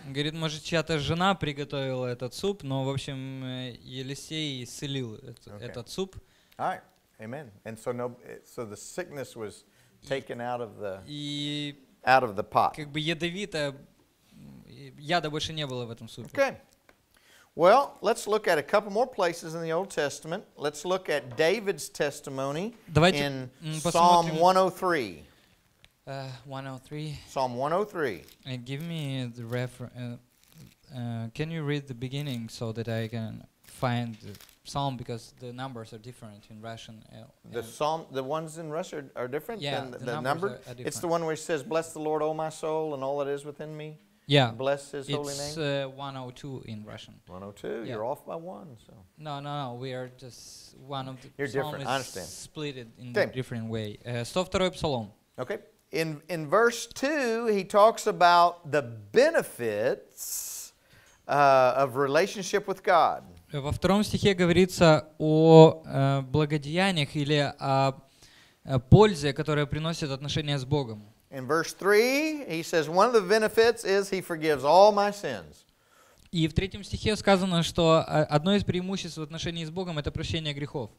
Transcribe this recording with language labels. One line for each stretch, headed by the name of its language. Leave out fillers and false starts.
Russian: Говорит, может, чья-то жена приготовила этот суп, но, в общем, Елисей исцелил этот суп.
English: All right. Amen. And so so the sickness was taken out of the pot.
Russian: Как бы яда больше не было в этом супе.
English: Okay. Well, let's look at a couple more places in the Old Testament. Let's look at David's testimony in Psalm 103. And give me the reference. Can you read the beginning so that I can find the psalm because the numbers are different in Russian. The ones in Russia are different than the numbers. It's the one where he says, "Bless the Lord, O my soul, and all that is within me." Yeah, bless his holy name. It's 102 in Russian. 102, yeah. You're off by one. So. No, we are just one of the you're psalm different. Is I understand. Split it in okay. A different way. 102 Psalm. Okay, in verse 2, he talks about the benefits of relationship with God.
Russian: Во втором стихе говорится о благодеяниях или о пользе, которая приносит отношения с Богом.
English: In verse 3, he says one of the benefits is he forgives all my sins.
Russian: И в третьем стихе сказано, что одно из преимуществ в отношении с Богом это прощение грехов.